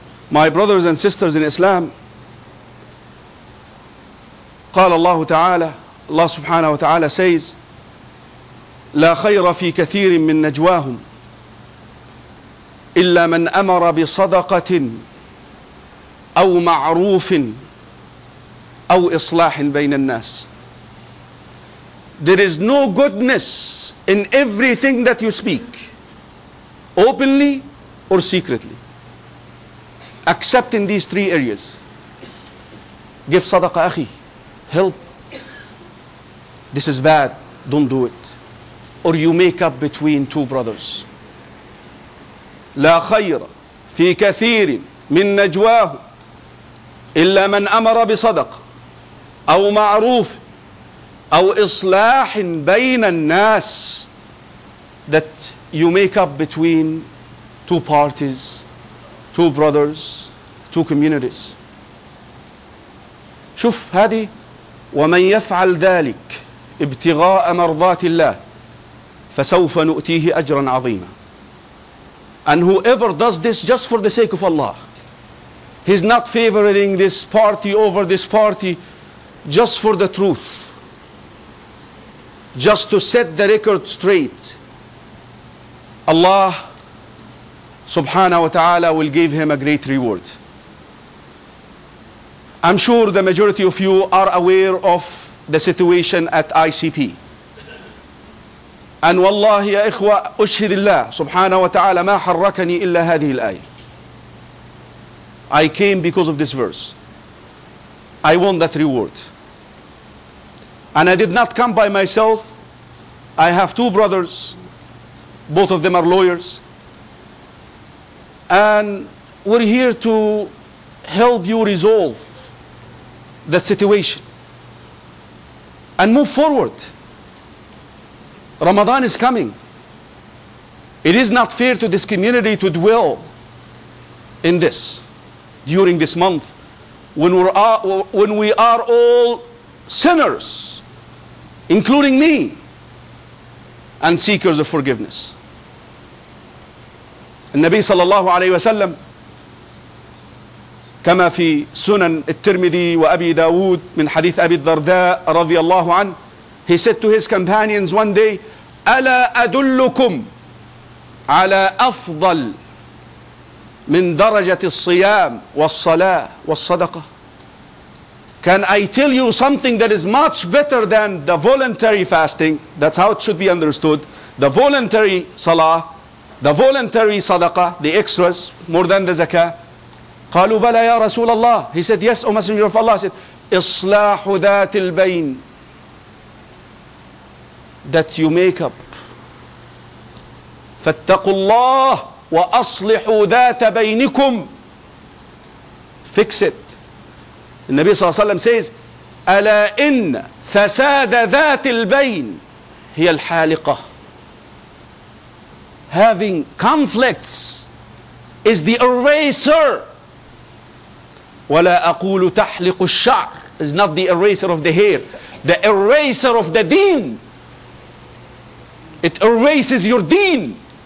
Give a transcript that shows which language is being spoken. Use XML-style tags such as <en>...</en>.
<en>My brothers and sisters in Islam,</en> <ar>قال الله تعالى, الله سبحانه وتعالى says, لا خير في كثير من نجواهم إلا من أمر بصدقة أو معروف أو إصلاح بين الناس.</ar> <en>There is no goodness in everything that you speak, openly or secretly, except in these three areas. Give</en> <ar>صدقة أخي,</ar> <en>help. This is bad, don't do it. Or you make up between two brothers.</en> <ar>لا خير في كثير من نجواه إلا من أمر بصدق أو معروف أو إصلاح بين الناس.</ar> <en>That you make up between two parties, two brothers, two communities.</en> <ar>شوف هذه. ومن يفعل ذلك ابتغاء مرضات الله فسوف نؤتيه أجرا عظيما.</ar> <en>And whoever does this just for the sake of Allah, he's not favoring this party over this party, just for the truth, just to set the record straight, Allah subhanahu wa ta'ala will give him a great reward. I'm sure the majority of you are aware of the situation at ICP.</en> <ar>أن والله يا إخوة أشهد الله سبحانه وتعالى ما حركني إلا هذه الآية.</ar> <en>I came because of this verse. I want that reward. And I did not come by myself. I have two brothers. Both of them are lawyers. And we're here to help you resolve that situation and move forward. Ramadan is coming. It is not fair to this community to dwell in this during this month when we are all sinners, including me, and seekers of forgiveness.</en> <ar>النبي صلى الله عليه وسلم كما في سنن الترمذي وأبي داود من حديث أبي الدرداء رضي الله عنه,</ar> <en>he said to his companions one day,</en> <ar>ألا أدلكم على أفضل من درجة الصيام والصلاة والصدقة.</ar> <en>Can I tell you something that is much better than the voluntary fasting? That's how it should be understood. The voluntary salah, the voluntary sadaqah, the extras, more than the zakah.</en> <ar>قالوا بلى يا رسول الله.</ar> <en>He said, yes, O Messenger of Allah. He said,</en> <ar>إصلاح ذات البين.</ar> <en>That you make up.</en> <ar>فاتقوا الله وأصلحوا ذات بينكم.</ar> <en>Fix it.</en> <ar>النبي صلى الله عليه وسلم says, ألا إن فساد ذات البين هي الحالقة.</ar> <en>Having conflicts is the eraser.</en> <ar>ولا أقول تحلق الشعر</ar> <en>is not the eraser of the hair. The eraser of the deen. It erases your deen.</en>